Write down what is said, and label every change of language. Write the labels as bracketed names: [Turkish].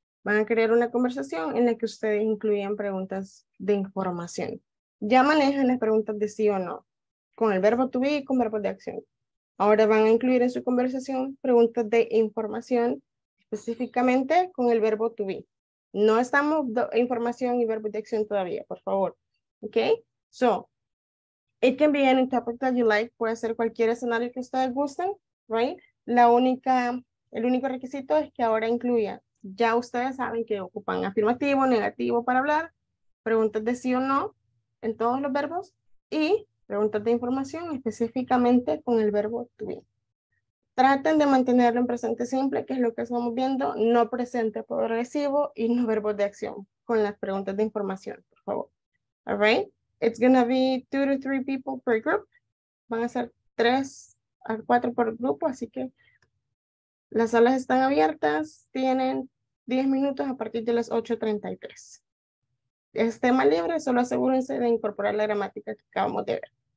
[Spanish] Van a crear una conversación en la que ustedes incluyan preguntas de información. Ya manejan las preguntas de sí o no, con el verbo to be y con verbos de acción. Ahora van a incluir en su conversación preguntas de información, específicamente con el verbo to be. No estamos información y verbo de acción todavía, por favor. [English] Okay? So, it can be any topic that you like. [Spanish] Puede ser cualquier escenario que ustedes gusten, right? El único requisito es que ahora incluya, ya ustedes saben que ocupan afirmativo, negativo para hablar, preguntas de sí o no en todos los verbos y preguntas de información específicamente con el verbo to be. Traten de mantenerlo en presente simple, que es lo que estamos viendo, no presente progresivo y no verbos de acción con las preguntas de información, por favor. [English] All right? It's going to be 2 to 3 people per group. [Spanish] Van a ser 3 a 4 por grupo, así que las salas están abiertas. Tienen 10 minutos a partir de las 8:33. Es tema libre, solo asegúrense de incorporar la gramática que acabamos de ver.